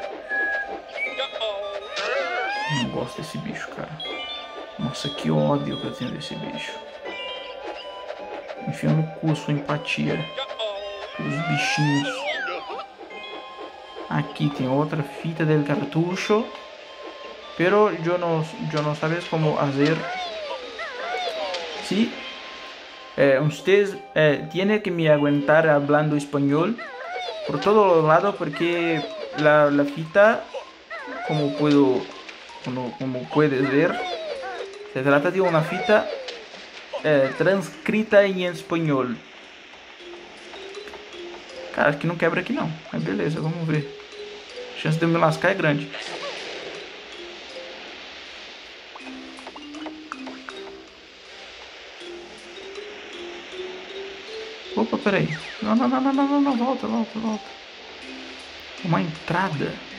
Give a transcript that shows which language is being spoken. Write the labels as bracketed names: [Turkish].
[Portuguese] Não gosto desse bicho, cara. Nossa, que ódio que eu tenho desse bicho. Enfia no cu sua empatia pelos bichinhos. Aqui tem outra fita [Spanish] del cartucho. Pero yo no sabes como hacer. Sí, usted tiene que me aguantar hablando español por todo lado porque la fita, como puedes ver, se trata de una fita transcrita en español. [Portuguese] Cara, acho que não quebra aqui não. Mas beleza, vamos ver. A chance de eu me lascar é grande. Opa, peraí. Não, volta. Uma entrada.